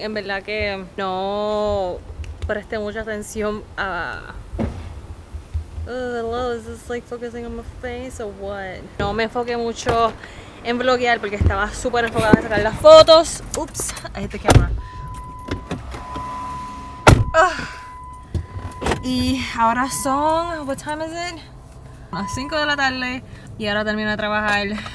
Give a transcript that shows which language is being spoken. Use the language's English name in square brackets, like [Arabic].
[Spanish] En verdad que no presté mucha atención a... [English] is this like focusing on my face or what? [Spanish] No me enfoqué mucho en bloguear porque estaba súper enfocada en sacar las fotos. Ups, ahí te quema. Y ahora son, [English] what time is it? [Spanish] A las 5 de la tarde y ahora termino de trabajar.